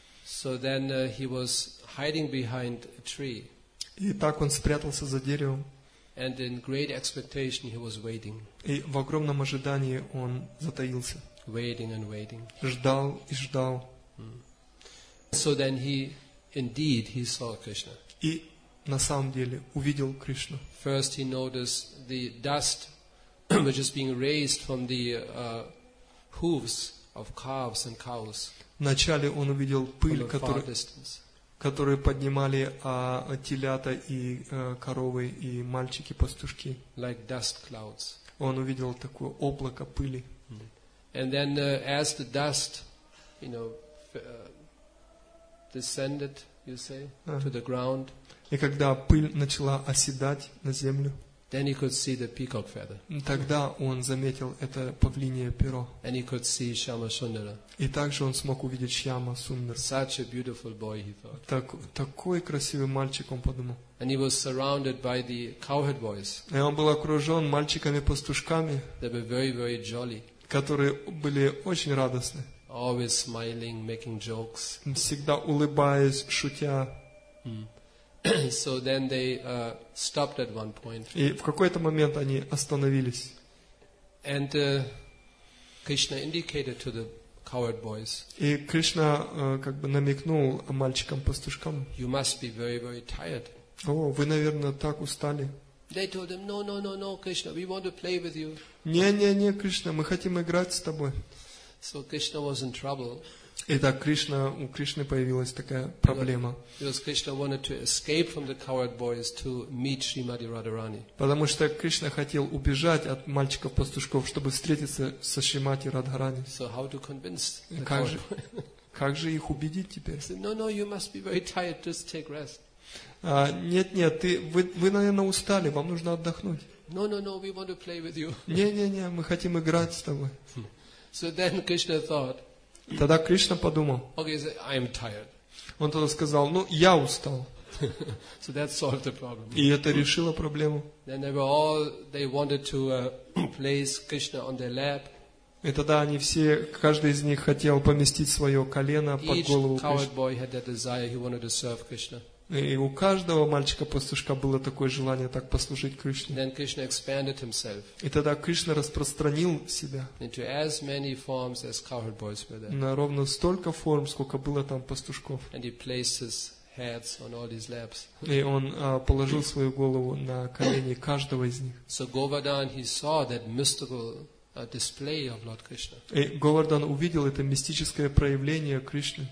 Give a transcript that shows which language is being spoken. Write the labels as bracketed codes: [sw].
[en] So then he was hiding behind a tree. [ru] И так он спрятался за деревом. [en] And in great expectation he was waiting. [ru] И в огромном ожидании он затаился. [en] Waiting and waiting. [ru] Ждал и ждал. [en] So then he indeed he saw Krishna. [ru] И на самом деле увидел Кришну. [en] First he noticed the dust which is being raised from the hooves of calves and cows. [ru] Вначале он увидел пыль, которую поднимали телята и коровы и мальчики-пастушки. [en] Like dust clouds. [ru] Он увидел такое облако пыли. [en] And then as the dust, you know, descended, you say, to the ground. [ru] И когда пыль начала оседать на землю, [en] then he could see the peacock feather. [ru] Тогда он заметил это павлинье перо. [en] And he could see Shyama Sundara. [ru] И также он смог увидеть Шьяма Сундара. [en] Such a beautiful boy, he thought. [ru] Такой красивый мальчик, он подумал. [en] And he was surrounded by the cowherd boys. [ru] И он был окружен мальчиками-пастушками, [en] they were very, very jolly. [ru] Которые были очень радостны. [en] Always smiling, making jokes. [ru] Всегда улыбаясь, шутя. [en] So then they stopped at one point. [ru] И в какой-то момент они остановились. [en] And Krishna indicated to the coward boys. [ru] И Кришна как бы намекнул мальчикам-пастушкам. [en] You must be very, very tired. [ru] О, вы, наверное, так устали. [en] They told him, no, Krishna, we want to play with you. [ru] Не, Кришна, мы хотим играть с тобой. [en] So Krishna was in trouble. [ru] Итак, у Кришны появилась такая проблема. [en] Because Krishna wanted to escape from the coward boys to meet Srimati Radharani. [ru] Потому что Кришна хотел убежать от мальчиков-пастушков, чтобы встретиться со Шримати Радхарани. [en] So how to convince the coward? [ru] Как же их убедить теперь? [en] Said, no, you must be very tired. Just take rest. [ru] Вы, наверное, устали. Вам нужно отдохнуть. [en] No, we want to play with you. [ru] Не, мы хотим играть с тобой. [en] So then Krishna thought. [ru] Тогда Кришна подумал. [en] Okay, so I'm tired. [ru] Он тогда сказал, я устал. [en] So that solved the problem. [ru] И это решило проблему. [en] Then they were all, they wanted to place Krishna on their lap. [ru] И тогда они все, каждый из них хотел поместить свое колено под голову Кришны. [en] Each coward boy had that desire, he wanted to serve Krishna. [ru] И у каждого мальчика-пастушка было такое желание так послужить Кришне. [en] Then Krishna expanded himself. [ru] И тогда Кришна распространил себя [en] into as many forms as cowherd boys were there. [ru] На ровно столько форм, сколько было там пастушков. [en] And he placed his heads on all these laps. [ru] И он положил свою голову на колени каждого из них. [en] So Govardhan, he saw that mystical display of Lord Krishna. [ru] И Говардан увидел это мистическое проявление Кришны.